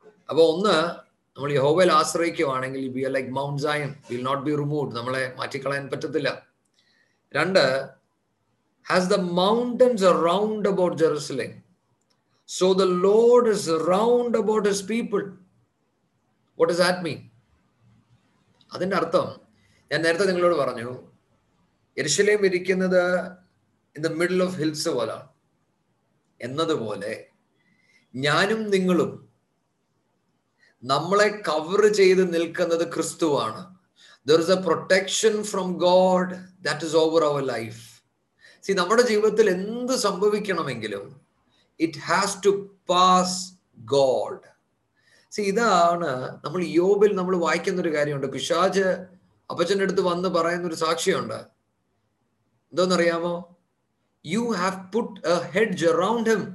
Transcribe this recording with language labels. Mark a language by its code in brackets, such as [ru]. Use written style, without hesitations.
[ml] അപ്പോൾ ഒന്ന് നമ്മൾ യഹോവയിൽ ആശ്രയിക്കുകയാണെങ്കിൽ [en] we are like mount Zion will not be removed [ml] നമ്മളെ മാറ്റിക്കളയാൻ പറ്റത്തില്ല രണ്ട് [en] as the mountains are round about Jerusalem so the Lord is round about his people what is that mean [ml] അതിൻ്റെ അർത്ഥം ഞാൻ നേരത്തെ നിങ്ങളോട് പറഞ്ഞു യെരുശലേം ഇരിക്കുന്നത് [en] in the middle of hills [ml] പോലെ എന്നതുപോലെ ഞാനും നിങ്ങളും നമ്മളെ കവർ ചെയ്ത് നിൽക്കുന്നത് ക്രിസ്തുവാണ്. [en] There is a protection from God that is over our life. [ml] See, നമ്മുടെ ജീവിതത്തിൽ എന്ത് സംഭവിക്കണമെങ്കിലും [en] it has to pass God. [ml] See, ഇതാണ് നമ്മൾ യോബിൽ നമ്മൾ വായിക്കുന്ന ഒരു കാര്യമുണ്ട്. പിശാച് അപ്പച്ചൻ്റെ അടുത്ത് വന്ന് പറയുന്ന ഒരു സാക്ഷിയുണ്ട്. എന്തോന്നറിയാമോ? [en] You have put a hedge around him.